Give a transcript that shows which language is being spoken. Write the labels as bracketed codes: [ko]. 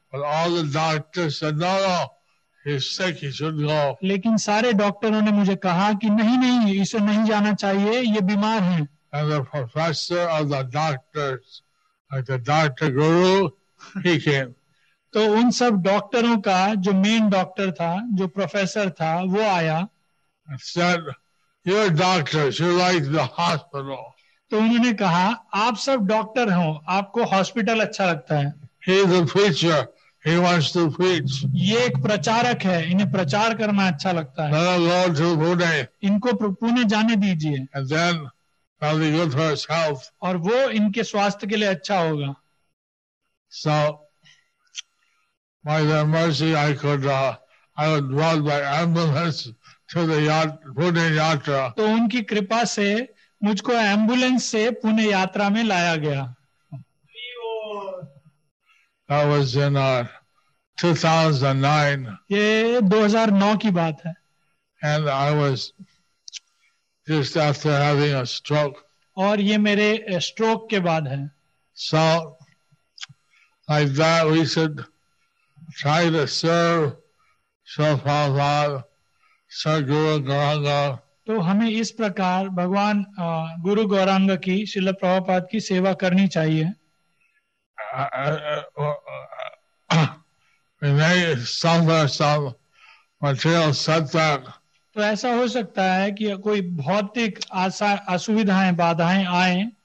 [en] But all the doctors said, no, no. He's sick, he should go. [hi] लेकिन सारे डॉक्टरों ने मुझे कहा कि नहीं नहीं इसे नहीं जाना चाहिए ये बीमार है. [en] And the professor of the doctors, like the doctor guru, he came. [hi] तो उन सब डॉक्टरों का जो मेन डॉक्टर था जो प्रोफेसर था वो आया. [en] Said, you're doctors, you like the hospital. [hi] तो उन्होंने कहा आप सब डॉक्टर हो आपको हॉस्पिटल अच्छा लगता है. [en] He's a preacher. He wants to preach. [hi] ये एक प्रचारक है इन्हें प्रचार करना अच्छा लगता है. [en] Let him go to Pune. [hi] इनको पुणे जाने दीजिए. [en] And then that'll be good for his health. [hi] और वो इनके स्वास्थ्य के लिए अच्छा होगा. [en] So by their mercy I would dwell by ambulance to the Pune Yatra. [hi] तो उनकी कृपा से मुझको एम्बुलेंस से पुणे यात्रा में लाया गया. [en] That was in 2009. [hi] ये 2009 की बात है. [en] And I was just after having a stroke. [hi] और ये मेरे स्ट्रोक के बाद है. [en] So like that, we should try to serve Srila Prabhupada, Sadguru Gauranga. [hi] तो हमें इस प्रकार भगवान गुरु गौरांग की श्रील प्रभुपाद की सेवा करनी चाहिए. तो ऐसा हो सकता है कि कोई भौतिक असुविधाएं बाधाएं आए.